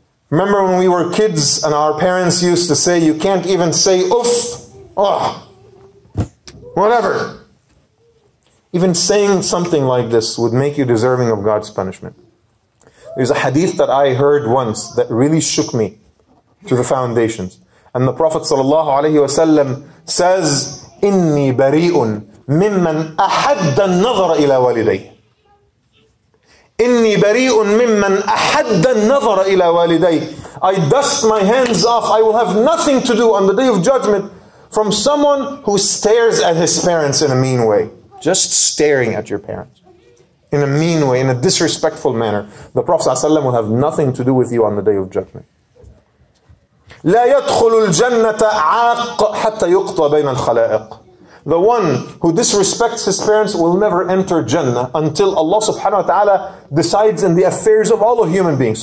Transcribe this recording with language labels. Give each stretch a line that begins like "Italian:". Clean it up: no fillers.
English: Remember when we were kids and our parents used to say, you can't even say, oof, oh, whatever. Even saying something like this would make you deserving of God's punishment. There's a hadith that I heard once that really shook me to the foundations. And the Prophet ﷺ says,
Arabic: إِنِّي بَرِيءٌ مِمَّنْ أَحَدَّ النَّظَرَ إِلَى وَالِدَيْهِ إِنِّي بَرِيءٌ مِمَّنْ أَحَدَّ النَّظَرَ إِلَىٰ وَالِدَيْهِ
English: I dust my hands off. I will have nothing to do on the day of judgment from someone who stares at his parents in a mean way. Just staring at your parents. In a mean way, in a disrespectful manner. The Prophet ﷺ will have nothing to do with you on the day of judgment.
Arabic: لَا يَدْخُلُ الْجَنَّةَ عَاقَ حَتَّى يُقْطَى بَيْنَ الْخَلَائِقِ
English: The one who disrespects his parents will never enter Jannah until Allah subhanahu wa ta'ala decides in the affairs of all the human beings.